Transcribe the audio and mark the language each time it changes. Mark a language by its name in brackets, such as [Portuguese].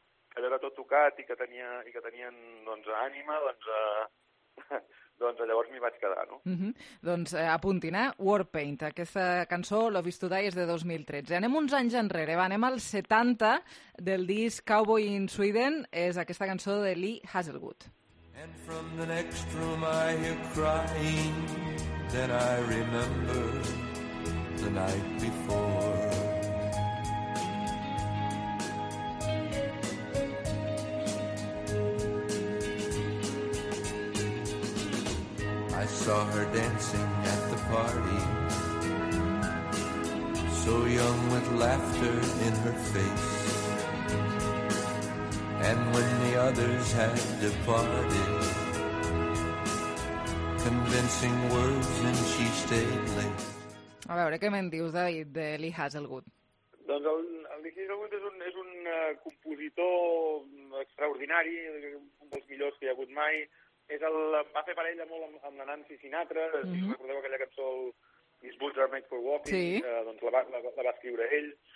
[Catalan] que allò era tot tocat i que tenia, i que tenien doncs, ànima, doncs, doncs llavors m'hi vaig quedar, no? Mm-hmm. Doncs apuntin, Warpaint, aquesta cançó, Love is to Die, és de 2013. Anem uns anys enrere, va, anem al 70 del disc Cowboy in Sweden, és aquesta cançó de Lee Hazelwood. [English] And from the next room I hear crying, then I remember the night before. I saw her dancing at the party, so young with laughter in her face. And when the others had departed, convincing words and she stayed late. [Catalan] A veure, què me'n dius, David, de Lee Hazelwood? Doncs el Lee Hazelwood és un compositor extraordinari, un dels millors que hi ha hagut mai. És el, va fer parella molt amb la Nancy Sinatra, si us recordeu aquella cançó His Boots Are Made for Walking, sí. Doncs la va escriure ell.